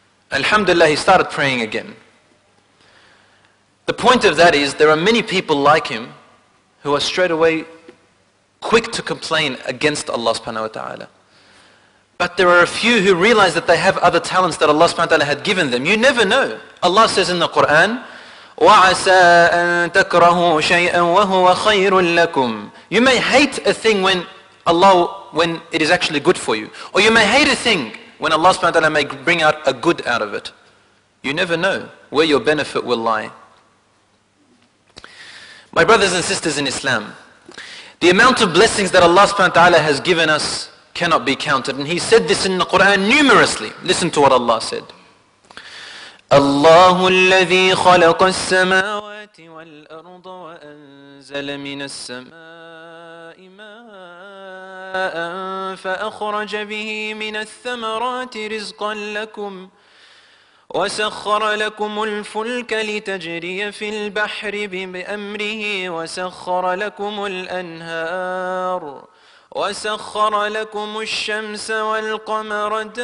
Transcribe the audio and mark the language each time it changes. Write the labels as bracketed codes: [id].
[en] Alhamdulillah, he started praying again. The point of that is, there are many people like him who are straight away quick to complain against Allah subhanahu wa ta'ala. But there are a few who realize that they have other talents that Allah subhanahu wa ta'ala had given them. You never know. Allah says in the Quran, [ar] وَعَسَىٰ أَن تَكْرَهُوا شَيْئًا وَهُوَ خَيْرٌ لَكُمْ. [en] You may hate a thing when it is actually good for you. Or you may hate a thing when Allah subhanahu wa ta'ala may bring out a good out of it. You never know where your benefit will lie. My brothers and sisters in Islam, the amount of blessings that Allah subhanahu wa ta'ala has given us cannot be counted. And he said this in the Quran numerously. Listen to what Allah said. [ar] الله الذي خلق السماوات والأرض وأنزل من السماء ماء فأخرج به من الثمرات رزقا لكم وسخر لكم الفلك لتجري في البحر بأمره وسخر لكم الأنهار وسخر لكم الشمس والقمر